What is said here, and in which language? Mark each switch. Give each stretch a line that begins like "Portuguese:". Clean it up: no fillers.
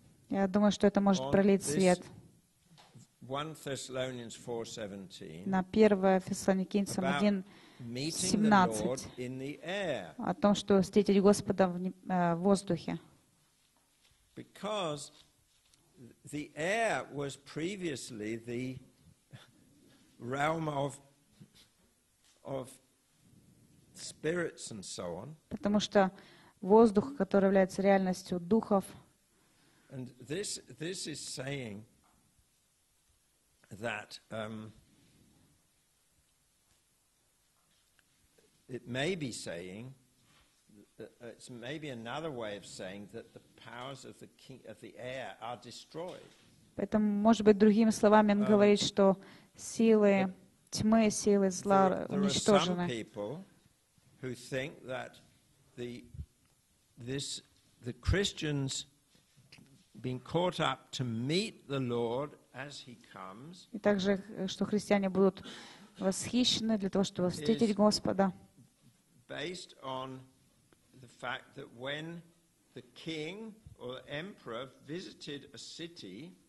Russian: Я думаю, что это может пролить свет на 1 Фессалоникийцам 1:17 о том, что встретить Господа в воздухе.
English: Because the air was previously the realm of spirits and so on.
Russian: Потому что воздух, который является реальностью духов.
English: And this is saying that it may be saying it's maybe another way of saying that the powers of the king of the air are destroyed.
Russian: Поэтому, может быть, другими словами он говорит, что силы тьмы, силы зла уничтожены.
English: Some people who think that the Christians being caught up to meet the Lord as he comes.
Russian: И также, что христиане будут восхищены для того, чтобы встретить Господа.
English: Based on the fact that when the king or the emperor visited a city,